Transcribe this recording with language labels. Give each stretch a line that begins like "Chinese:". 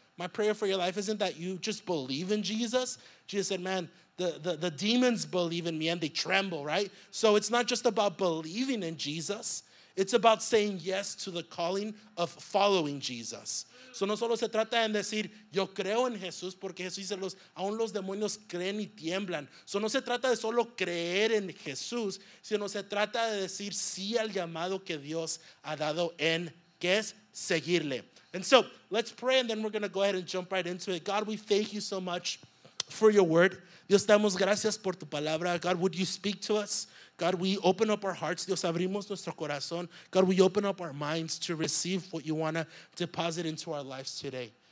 English: My prayer for your life isn't that you just believe in Jesus. Jesus said, man, the demons believe in me and they tremble, right? So it's not just about believing in Jesus. It's about saying yes to the calling of following Jesus.
Spanish: So no solo se trata en decir, yo creo en Jesús, porque Jesús dice, aún los demonios creen y tiemblan. So no se trata de solo creer en Jesús, sino se trata de decir sí al llamado que Dios ha dado en que es seguirle.
English: And so, let's pray and then we're going to go ahead and jump right into it. God, we thank you so much for your word.
Spanish: Dios, damos gracias por tu palabra.
English: God, would you speak to us? God, we open up our hearts.
Spanish: Dios, abrimos nuestro corazón.
English: God, we open up our minds to receive what you want to deposit into our lives today.